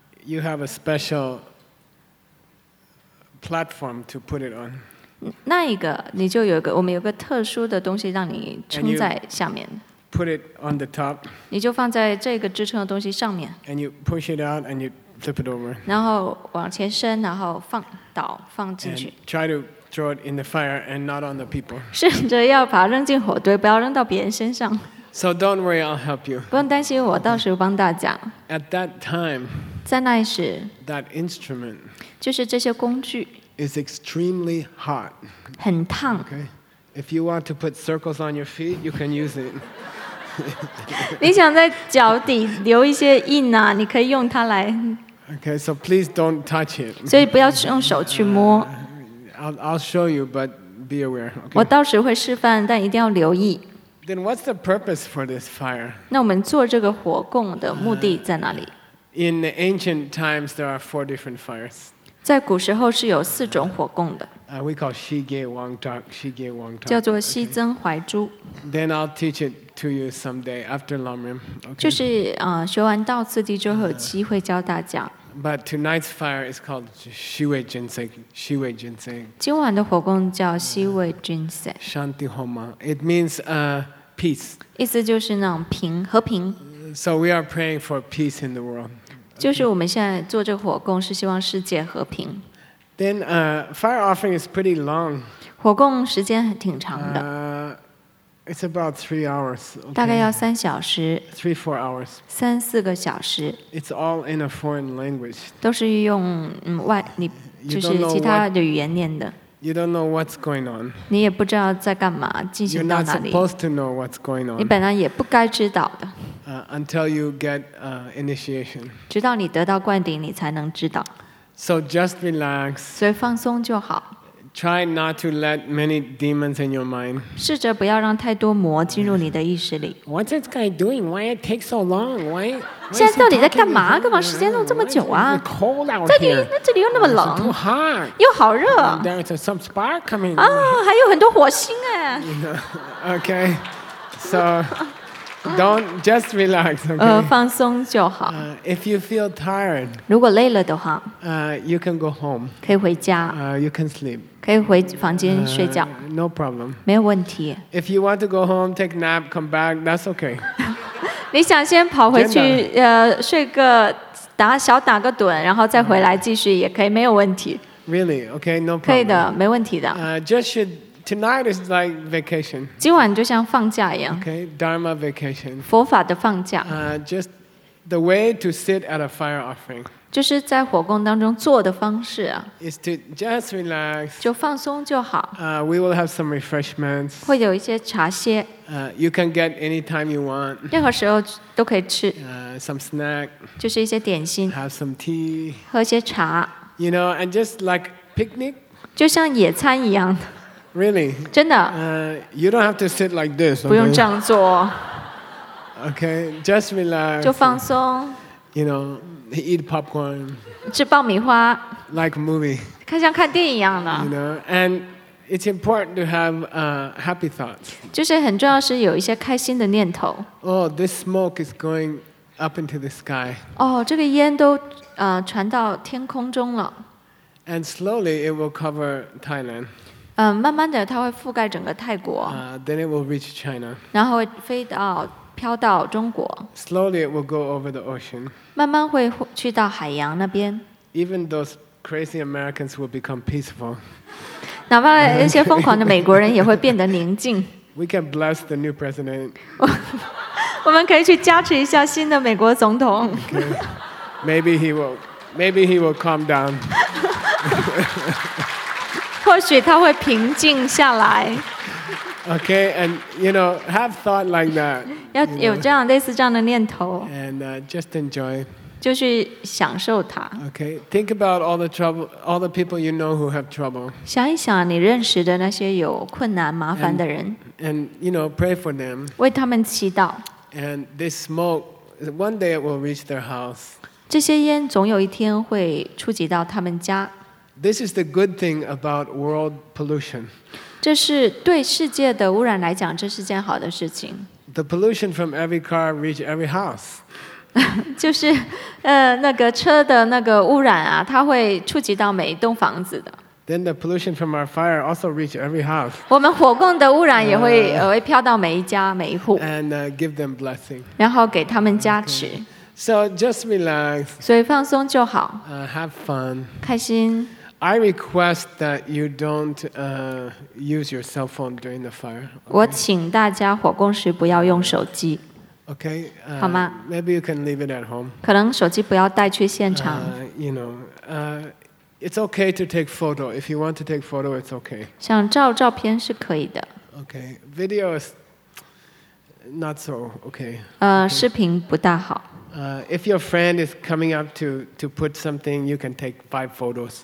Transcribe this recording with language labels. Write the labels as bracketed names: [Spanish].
[English] You have a special platform to put it on. [Chinese] 那一个你就有个，我们有个特殊的东西让你撑在下面。 [English] Put it on the top. [Chinese] 你就放在这个支撑的东西上面。 [English] And you push it out and you flip it over. [Chinese] 然后往前伸，然后放倒放进去。 [English] And try to throw it in the fire and not on the people. [Chinese] 试着要把它扔进火堆，不要扔到别人身上。 [English] So don't worry, I'll help you. [Chinese] 不用担心，我到时候帮大家。 [English] At that time. [Chinese] 在那时。 [English] That instrument. [Chinese] 就是这些工具。 [English] Is extremely hot. [Chinese] 很烫。 [English] Okay. If you want to put circles on your feet, you can use it. [Chinese] 你想在脚底留一些印啊？你可以用它来。 [English] Okay, so please don't touch it. [Chinese] 所以不要用手去摸。 [English] I'll show you, but be aware. Okay. [Chinese] 我到时会示范，但一定要留意。 [English] Then what's the purpose for this fire? [Chinese] 那我们做这个火供的目的在哪里？ [English] In the ancient times, there are four different fires. [Chinese] 在古时候是有四种火供的。 [English] We call Shige Wang Tak, Shige Wang Tak. [Chinese] 叫做西增怀珠。 [English] Then I'll teach it to you someday after Lamrim. [Chinese] 就是学完道次第之后，有机会教大家。 [English] But tonight's fire is called Shiwei Jinsei. Shiwei Jinsei. [Chinese] 今晚的火供叫 Shiwei Jinsei. [English] Shanti Homa. It means peace. [Chinese] 意思就是那种平和平。 [English] So we are praying for peace in the world. [Chinese] 就是我们现在做这火供是希望世界和平。 [English] Then fire offering is pretty long. [Chinese] 火供时间挺长的。 [English] It's about 3 hours. Okay. [Chinese] 大概要三小时。 [English] 3-4 hours. [Chinese] 3-4个小时。 [English] It's all in a foreign language. [Chinese] 都是用外，你就是其他的语言念的。 [English] You don't know what's going on. [Chinese] 你也不知道在干嘛，进行到哪里。 [English] You're not supposed to know what's going on. [Chinese] 你本来也不该知道的。 [English] Until you get initiation. [Chinese] 直到你得到灌顶，你才能知道。 [English] So just relax. [Chinese] 所以放松就好。 [English] Try not to let many demons in your mind. [Chinese] 试着不要让太多魔进入你的意识里。 [English] What's this guy doing? Why it takes so long? Why? [Chinese] 现在到底在干嘛？干嘛时间弄这么久啊？ [English] Cold out here. [Chinese] 这里又那么冷。 [English] Too hot. [Chinese] 又好热。 [English] There's some spark coming. [Chinese] 啊，还有很多火星哎。 [English] Okay, so don't just relax. Okay. [Chinese] 放松就好。 [English] If you feel tired. [Chinese] 如果累了的话。 [English] You can go home. [Chinese] 可以回家。 [English] You can sleep. [Chinese] 可以回房间睡觉。 [English] No problem. [Chinese] 没有问题。 [English] If you want to go home, take a nap, come back, that's okay. [Chinese] 你想先跑回去，睡个小打个盹，然后再回来继续也可以，没有问题。 [English] Really? Okay, no problem. [Chinese] 可以的，没问题的。 [English] Tonight is like vacation. [Chinese] 今晚就像放假一样。 [English] Okay, Dharma vacation. [Chinese] 佛法的放假。 [English] Just the way to sit at a fire offering. [Chinese] 就是在火供当中做的方式啊， [English] is to just relax, [Chinese] 就放松就好。 [English] We will have some refreshments. [Chinese] 会有一些茶歇。 [English] You can get any time you want. [Chinese] 任何时候都可以吃。 [English] Some snack. [Chinese] 就是一些点心。 [English] Have some tea. [Chinese] 喝些茶。 [English] You know, and just like picnic. [Chinese] 就像野餐一样。 [English] Really? [Chinese] 真的。 [English] You don't have to sit like this. [Chinese] 不用这样做。 [English] Okay, just relax. [Chinese] 就放松。 [English] You know. Eat popcorn, [Chinese] 吃爆米花 [English] like movie, [Chinese] 看像看电影一样的 [English] you know, and it's important to have happy thoughts. [Chinese] 就是很重要是有一些开心的念头 [English] Oh, this smoke is going up into the sky. [Chinese] 哦，这个烟都传到天空中了 [English] And slowly it will cover Thailand. [Chinese] 慢慢的它会覆盖整个泰国。 [English] Then it will reach China. [Chinese] 然后飞到飘到中国。 [English] Slowly it will go over the ocean. [Chinese] 慢慢会去到海洋那边。 [English] Even those crazy Americans will become peaceful. [Chinese] 哪怕那些疯狂的美国人也会变得宁静。 [English] We can bless the new president. [Chinese] 我们可以去加持一下新的美国总统。 [English] Maybe he will calm down. [Chinese] 或许他会平静下来。 [English] Okay, and you know, have thought like that. [Chinese] 要有这样类似这样的念头。 [English] And just enjoy. [Chinese] 就是享受它。 [English] Okay, think about all the trouble, all the people you know who have trouble. [Chinese] 想一想你认识的那些有困难麻烦的人。 [English] And you know, pray for them. [Chinese] 为他们祈祷。 [English] And this smoke, one day it will reach their house. [Chinese] 这些烟总有一天会触及到他们家。 [English] This is the good thing about world pollution. [Chinese] 这是对世界的污染来讲，这是件好的事情。 [English] The pollution from every car reaches every house. [Chinese] 就是那个车的那个污染啊，它会触及到每一栋房子的。 [English] Then the pollution from our fire also reach every house. [Chinese] 我们火供的污染也会会飘到每一家每一户。 [English] And give them blessing. [Chinese] 然后给他们加持。 [English] Okay. So just relax. [Chinese] 所以放松就好。 [English] Have fun. [Chinese] 开心。 [English] I request that you don't use your cell phone during the fire. [Chinese] 我请大家火供时不要用手机。 [English] Okay, [Chinese] 好吗？ [English] Maybe you can leave it at home. [Chinese] 可能手机不要带去现场。 [English] You know, it's okay to take photo. If you want to take photo, it's okay. [Chinese] 想照照片是可以的。 [English] Okay, video is not so okay. [Chinese] 视频不大好。 [English] If your friend is coming up to put something, you can take 5 photos.